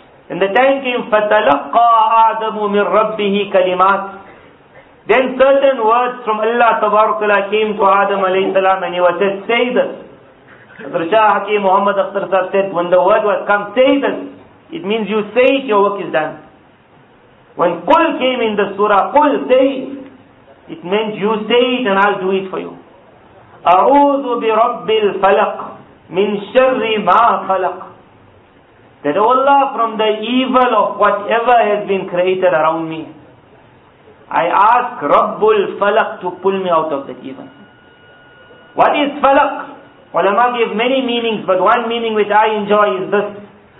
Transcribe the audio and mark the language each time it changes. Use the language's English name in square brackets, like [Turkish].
[English] And the time came, [Arabic] فَتَلَقَّى آدَمُ مِن رَبِّهِ كَلِمَاتٍ. [English] Then certain words from Allah tabarakala came to Adam alayhi salam and he was said, say this. Rishah Hakim Muhammad Akhtar Sahib said, when the word was come, say this. It means you say it, your work is done. When Qul came in the surah, Qul say, it meant you say it and I'll do it for you. [Arabic] أعوذ برب الفلق من شر ما خلق. [English] That, O Allah, from the evil of whatever has been created around me, I ask رب الفلق to pull me out of that evil. What is falak? Ulama give many meanings, but one meaning which I enjoy is this.